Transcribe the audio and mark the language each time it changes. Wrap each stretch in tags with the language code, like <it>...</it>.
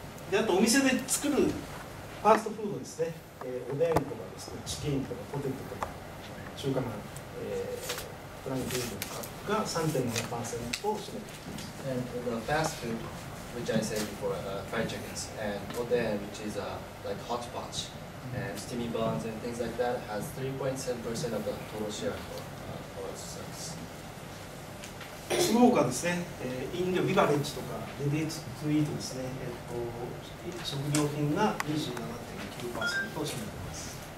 <ja>で、あとお店で作るファーストフードですね。おでんとかですね、チキンとかポテトとか、中華まん、フランクフードとかが 3.7% を占めています。</ja> <en>And the fast food, which I said before, fried chickens, and oden, which is like hot potch, and steamy buns and things like that, has 3.7% of the total share for its sales.</en> <ja>その他ですね、飲料ビバレッジとかレディースツイートですね、食料品が 27.9% を占めています。</ja>